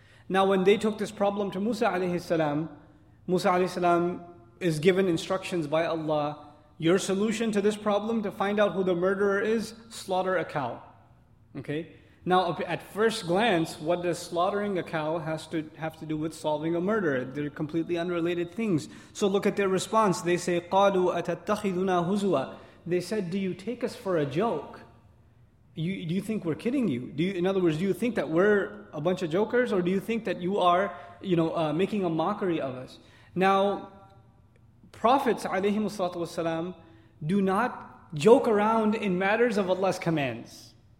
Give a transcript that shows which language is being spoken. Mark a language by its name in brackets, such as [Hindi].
[English] Now when they took this problem to Musa alayhi salam, Musa alayhi salam is given instructions by Allah, your solution to this problem, to find out who the murderer is, slaughter a cow. Okay? Now at first glance, what does slaughtering a cow have to do with solving a murder? They're completely unrelated things. So look at their response. They say, [Arabic] قَالُوا أَتَتَّخِذُنَا هُزُوَا. [English] They said, do you take us for a joke? Do you think we're kidding you? In other words, do you think that we're a bunch of jokers, or do you think that you are, you know, making a mockery of us? Now, prophets alayhi salatu wasalam do not joke around in matters of Allah's commands.